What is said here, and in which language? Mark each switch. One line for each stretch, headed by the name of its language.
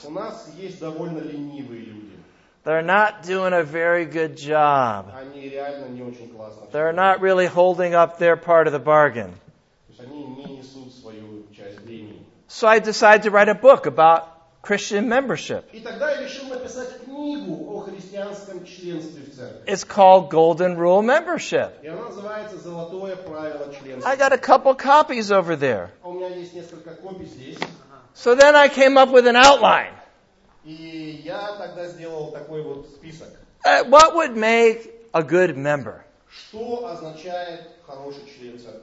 Russian: У нас есть довольно ленивые люди.
English: They're not doing a very good job.
Russian: Они реально не очень классно.
English: They're not really holding up their part of the bargain.
Russian: То есть они не несут свою часть времени.
English: So I decided to write a book about Christian membership.
Russian: И тогда я решил написать книгу о христианском членстве в церкви.
English: It's called Golden Rule Membership.
Russian: И она называется «Золотое правило членства».
English: I got a couple copies over there.
Russian: У меня есть несколько копий здесь.
English: So then I came up with an outline.
Russian: И я тогда сделал такой вот список.
English: What would make a good member?
Russian: Что означает хороший член церкви?